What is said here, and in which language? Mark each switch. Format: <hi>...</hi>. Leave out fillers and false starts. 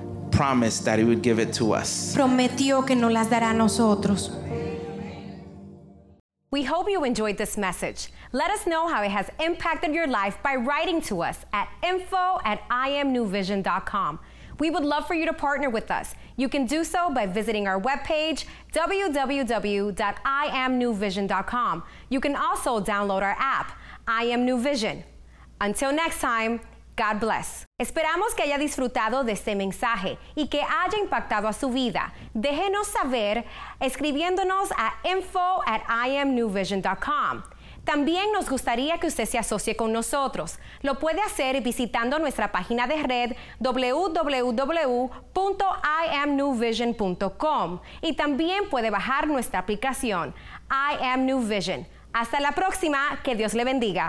<en>Promised that he would give it to us.</en> <es>Prometió que nos las dará a nosotros.</es> <en>We hope you enjoyed this message. Let us know how it has impacted your life by writing to us at info@imnewvision.com. We would love for you to partner with us. You can do so by visiting our webpage, www.imnewvision.com. You can also download our app, I Am New Vision. Until next time, God bless.</en> <es>Esperamos que haya disfrutado de este mensaje y que haya impactado a su vida. Déjenos saber escribiéndonos a info@imnewvision.com. También nos gustaría que usted se asocie con nosotros. Lo puede hacer visitando nuestra página de red www.imnewvision.com y también puede bajar nuestra aplicación I Am New Vision. Hasta la próxima, que Dios le bendiga.</es>